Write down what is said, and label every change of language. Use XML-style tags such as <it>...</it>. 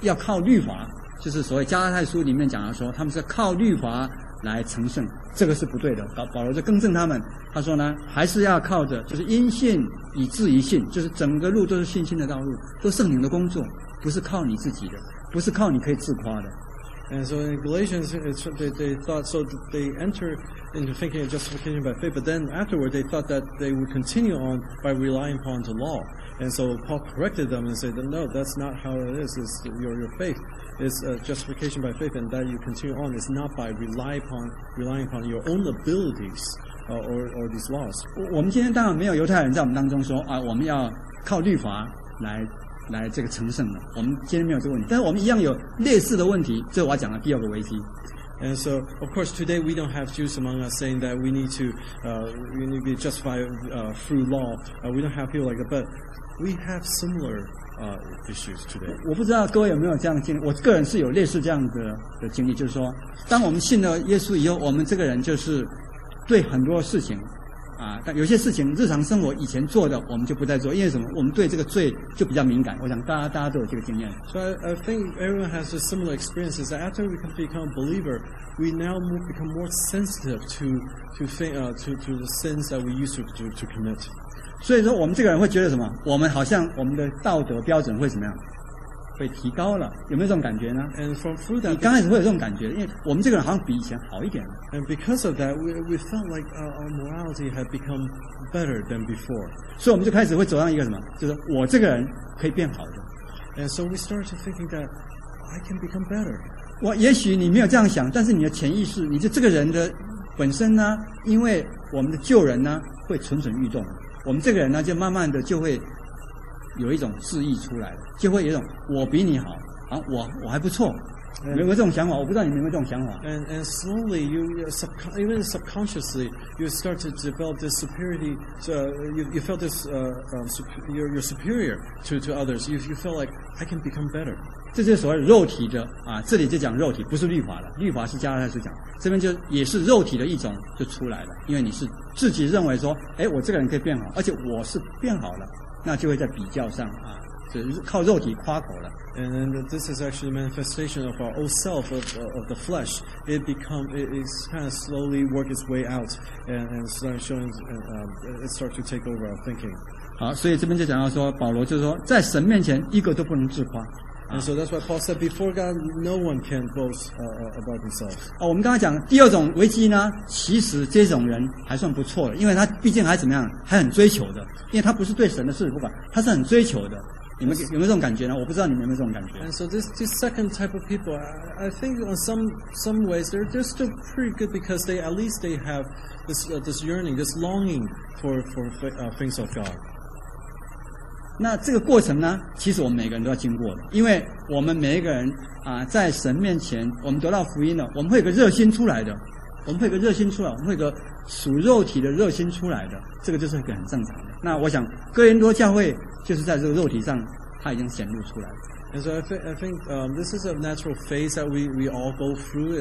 <zh>要靠律法，就是所谓加拉太书里面讲的说，他们是靠律法来成圣，这个是不对的。保罗就更正他们，他说呢，还是要靠着，就是因信以至于信，就是整个路都是信心的道路，都圣灵的工作，不是靠你自己的，不是靠你可以自夸的。</zh> <en>And so in Galatians, they thought, so they enter into thinking of justification by faith, but then afterward they thought that they would continue on by relying upon the law. And so Paul corrected them and said, no, that's not how it is, it's your faith. It's justification by faith, and that you continue on is not by relying upon your own abilities or these laws.</en> <zh>我们今天当然没有犹太人在我们当中说啊，我们要靠律法来这个成圣的。我们今天没有这个问题，但是我们一样有类似的问题。这是我讲的第二个危机。</zh> <en>And so, of course, today we don't have Jews among us saying that we need to be justified through law. We don't have people like that, but we have similar. Issues today.</en> <zh>我不知道各位有没有这样的经历，我个人是有类似这样 的经历，就是说当我们信了耶稣以后，我们这个人就是对很多事情但有些事情日常生活以前做的我们就不再做，因为什么？我们对这个罪就比较敏感。我想大家都有这个经验。</zh> <en>So I think everyone has a similar experience. Is that after we become a believer, we now become more sensitive to the sins that we used to commit.</en> <zh>所以说我们这个人会觉得什么？我们好像我们的道德标准会怎么样？被提高了，有没有这种感觉呢？</zh> <en>And from through that,</en> <zh>你刚开始会有这种感觉，因为我们这个人好像比以前好一点了。</zh> <en>And because of that, we felt like our morality had become better than before.</en> <zh>所以我们就开始会走上一个什么，就是我这个人可以变好的。</zh> <en>And so we started to thinking that I can become better.</en> <zh>我也许你没有这样想，但是你的潜意识，你就这个人的本身呢，因为我们的旧人呢会蠢蠢欲动，我们这个人呢就慢慢的就会。有一种自意出来了，就会有一种我比你好啊，我还不错，有没有这种想法？我不知道你有没有这种想法。</zh> <en>And slowly even subconsciously you start to develop this superiority. So you felt this you're superior to others. You felt like I can become better.</en> <zh>这就是所谓肉体的啊，这里就讲肉体，不是律法了。律法是加拉太书讲，这边就也是肉体的一种就出来了，因为你是自己认为说，哎，我这个人可以变好，而且我是变好了。那就会在比较上啊，是靠肉体夸口了。</zh> <en>And then this is actually a manifestation of our old self of the flesh. It's kind of slowly work its way out and start showing it starts to take over our thinking.</en> <zh>好，所以这边就讲到说，保罗就是说，在神面前一个都不能自夸。</zh> <en>And so that's why Paul said before God, no one can boast about themselves.</en> <zh>啊，我们刚才讲第二种危机呢，其实这种人还算不错的，因为他毕竟还怎么样，还很追求的，因为他不是对神的事不管，他是很追求的。你们有没有这种感觉呢？我不知道你们有没有这种感觉。</zh> <en>And so this second type of people, I think in some ways they're still pretty good because they at least they have this yearning, this longing for things of God.</en> <zh>那这个过程呢，其实我们每个人都要经过的，因为我们每一个人啊，在神面前，我们得到福音了，我们会有个热心出来的，我们会有个热心出来，我们会有个属肉体的热心出来的，这个就是一个很正常的。那我想，哥林多教会就是在这个肉体上，它已经显露出来了。</zh> <en>And so I think this is a natural phase that we all go through.</en>